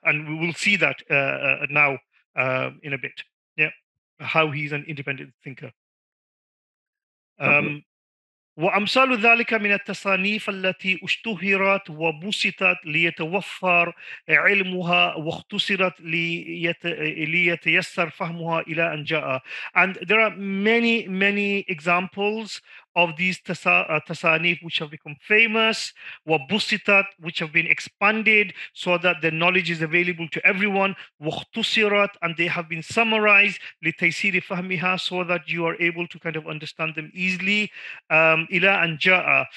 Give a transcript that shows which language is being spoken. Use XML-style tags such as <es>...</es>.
<en>And we will see that now. In a bit, yeah, how he's an independent thinker.</en> <ar>وأمثال ذلك من التصانيف التي اشتهرت وبسطت ليتوفر علمها واختصرت ليتيسر فهمها إلى أن جاء.</ar> <en>And there are many, many examples of these tasanif which have become famous, wa busitat, which have been expanded so that the knowledge is available to everyone, wa ikhtusirat, and they have been summarized, li taysiri fahmiha, so that you are able to kind of understand them easily, ila an ja'a.</en>